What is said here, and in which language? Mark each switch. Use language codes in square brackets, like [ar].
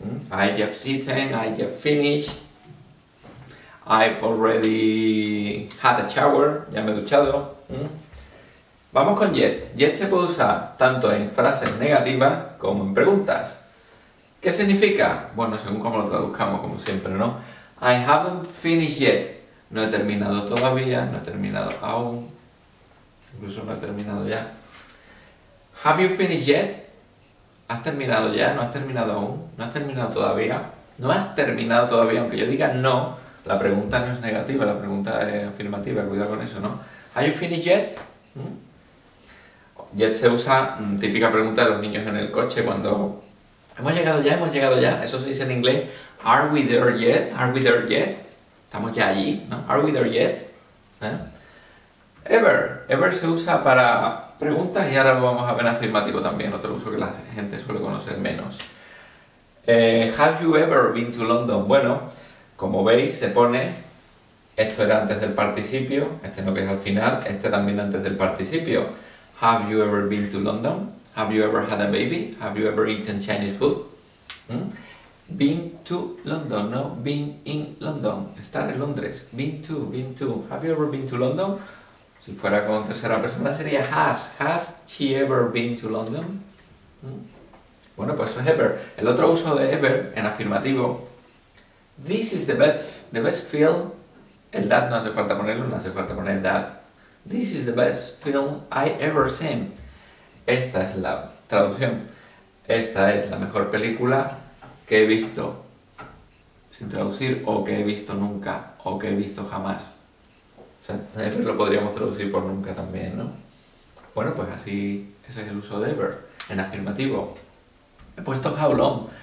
[en] I have eaten, I have finished. I've already had a shower. [es] Ya me he duchado. Vamos con yet. Yet se puede usar tanto en frases negativas como en preguntas. ¿Qué significa? Bueno, según cómo lo traduzcamos, como siempre, ¿no? [en] I haven't finished yet. [es] No he terminado todavía, no he terminado aún. Incluso no he terminado ya. [en] Have you finished yet? [es] ¿Has terminado ya? ¿No has terminado aún? ¿No has terminado todavía? No has terminado todavía, aunque yo diga no, la pregunta no es negativa, la pregunta es afirmativa, cuidado con eso, ¿no? [en] Have you finished yet? [es] Yet se usa, típica pregunta de los niños en el coche cuando hemos llegado ya, hemos llegado ya. Eso se dice en inglés. [en] Are we there yet? Are we there yet? [es] Estamos ya allí, ¿no? [en] Are we there yet? [es] Ever. Ever se usa para preguntas y ahora lo vamos a ver afirmativo también, otro uso que la gente suele conocer menos. [en] Have you ever been to London? [es] Bueno, como veis, se pone, esto era antes del participio, este no que es al final, este también antes del participio. [en] Have you ever been to London? Have you ever had a baby? Have you ever eaten Chinese food? Been to London, no, been in London, [es] estar en Londres. [en] Been to, have you ever been to London? [es] Si fuera con tercera persona sería [en] has she ever been to London? [es] Bueno, pues eso es ever. El otro uso de ever en afirmativo. [en] This is the best film. [es] El that no hace falta ponerlo, no hace falta poner that. [en] This is the best film I ever seen. [es] Esta es la traducción. Esta es la mejor película que he visto. Sin traducir, o que he visto nunca, o que he visto jamás. O sea, ever lo podríamos traducir por nunca también, ¿no? Bueno, pues así, ese es el uso de ever, en afirmativo. He puesto how long.